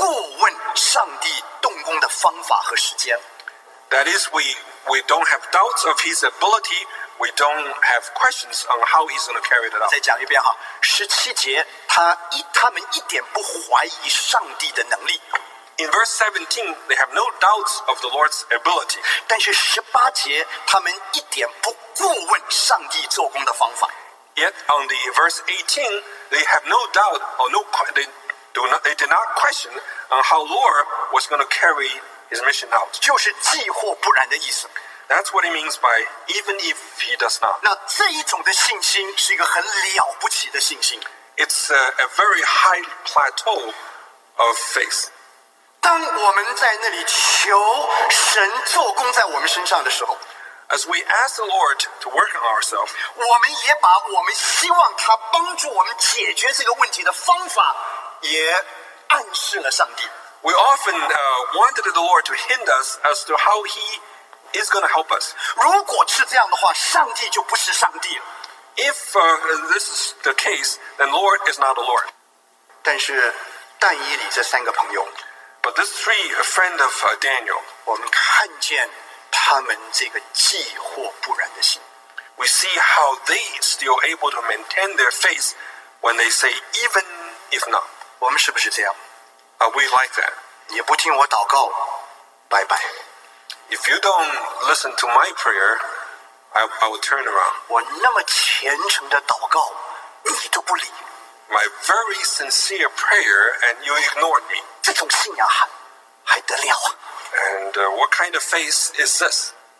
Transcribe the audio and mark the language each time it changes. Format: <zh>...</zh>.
<zh>在这里给我们看到，信心就是不怀疑上帝的能力，但是也不过问上帝动工的方法和时间。</zh> <en>That is, we don't have doubts of his ability. We don't have questions on how he's going to carry it out.</en> <zh>再讲一遍哈， 17节， 他们一点不怀疑上帝的能力。</zh> <en>In verse 17, they have no doubts of the Lord's ability.</en> <zh>但是18节， 他们一点不过问上帝做工的方法。</zh> <en>Yet on the verse 18, they have no doubt or no, they did not question on how Lord was going to carry his mission out.</en> <zh>就是既或不然的意思。</zh> <en>That's what it means by even if he does not.</en> <zh>那这一种的信心是一个很了不起的信心。</zh> <en>It's a very high plateau of faith.</en> <zh>当我们在那里求神做工在我们身上的时候，</zh> <en>as we ask the Lord to work on ourselves,</en> <zh>我们也把我们希望他帮助我们解决这个问题的方法也暗示了上帝。</zh> <en>we often wanted the Lord to hint us as to how he is going to help us.</en> <zh>如果是这样的话, 上帝就不是上帝了。</zh> <en>If this is the case, then Lord is not the Lord.</en> <zh>但是但以理这三个朋友,</zh> <en>but this three, a friend of Daniel,</en> <zh>我们看见他们这个既惑不然的心。</zh> <en>We see how they still able to maintain their faith when they say, even if not.</en> <zh>我们是不是这样?</zh> <en>Are we like that?</en> <zh>你不听我祷告, bye bye.</zh> <en>If you don't listen to my prayer, I will turn around.</en> <zh>我那么虔诚的祷告, 你都不理。</zh> <en>My very sincere prayer, and you ignored me.</en> <zh>这种信仰还得了啊?</zh> <en>And what kind of faith is this?</en>